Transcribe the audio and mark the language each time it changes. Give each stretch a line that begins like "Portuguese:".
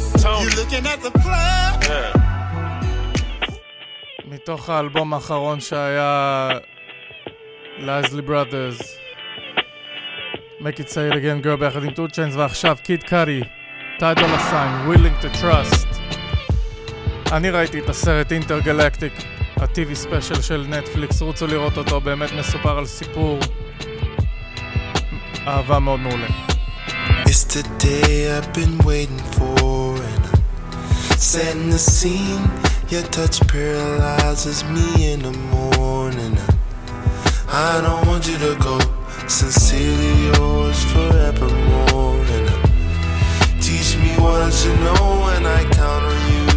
English: You looking at the plug? Yeah.
Hebrew: מתוך האלבום האחרון שהיה Lazily Brothers, Make It Say It Again Girl ביחד עם 2 Chainz, ועכשיו Kid Cudi, Tide Dollar Sign, Willing to Trust. אני ראיתי את הסרט אינטרגלקטיק, הטיווי ספיישל של נטפליקס, רוצו לראות אותו, באמת מסופר על סיפור אהבה מאוד מעולה.
English: It's the day I've been waiting for and setting the scene. Your touch paralyzes me in the morning. I don't want you to go. Sincerely yours forevermore. Teach me what I should know when I count on you.